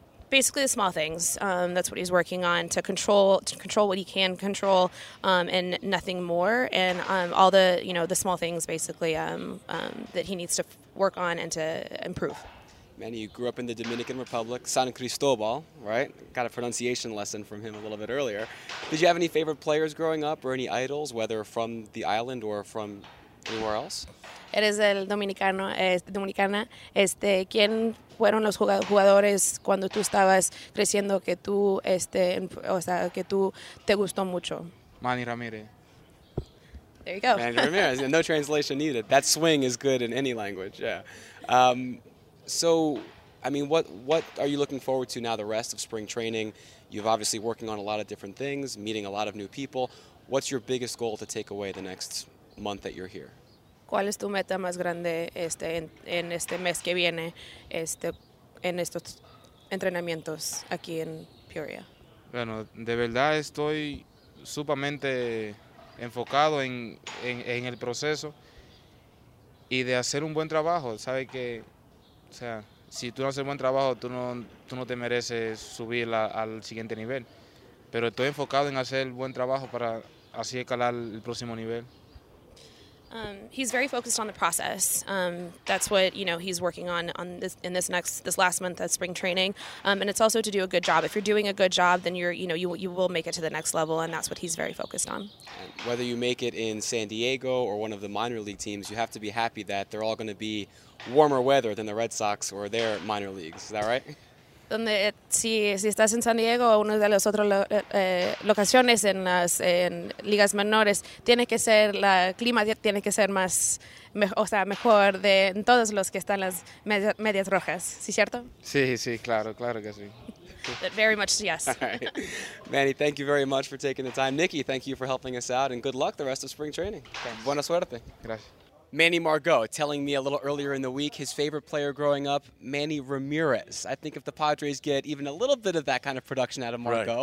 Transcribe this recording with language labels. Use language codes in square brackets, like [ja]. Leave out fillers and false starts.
[en] Basically the small things, that's what he's working on, to control what he can control, and nothing more, and all the, you know, the small things basically that he needs to work on and to improve. Manny, you grew up in the Dominican Republic, San Cristobal, right? Got a pronunciation lesson from him a little bit earlier. Did you have any favorite players growing up or any idols, whether from the island or from anywhere else? [es] Eres el dominicano, dominicana. ¿Quién fueron los jugadores cuando tú estabas creciendo que tú, o sea, que tú te gustó mucho? Manny Ramirez. [en] There you go. Manny Ramirez, no translation needed. That swing is good in any language, yeah. What are you looking forward to now the rest of spring training? You've obviously working on a lot of different things, meeting a lot of new people. What's your biggest goal to take away the next month that you're here? [es] ¿Cuál es tu meta más grande en este mes que viene en estos entrenamientos aquí en Peoria? Bueno, de verdad estoy sumamente enfocado en el proceso y de hacer un buen trabajo. Sabes que, o sea, si tú no haces un buen trabajo, tú no te mereces subir al siguiente nivel. Pero estoy enfocado en hacer buen trabajo para así escalar el próximo nivel. [en] He's very focused on the process. That's what, you know, he's working on this last month of spring training. And it's also to do a good job. If you're doing a good job, then you will make it to the next level, and that's what he's very focused on. And whether you make it in San Diego or one of the minor league teams, you have to be happy that they're all going to be warmer weather than the Red Sox or their minor leagues. Is that right? [es] Donde si estás en San Diego o una de las otras locaciones en ligas menores, tiene que ser la clima tiene que ser mejor de todos los que están en las medias rojas, ¿sí cierto? Sí, claro, claro que sí. [en] Very much yes. Manny, thank you very much for taking the time. Nikki, thank you for helping us out, and good luck the rest of spring training. Thanks. [es] Buena suerte. Gracias. [en] Manny Margot telling me a little earlier in the week his favorite player growing up, Manny Ramirez. I think if the Padres get even a little bit of that kind of production out of Margot,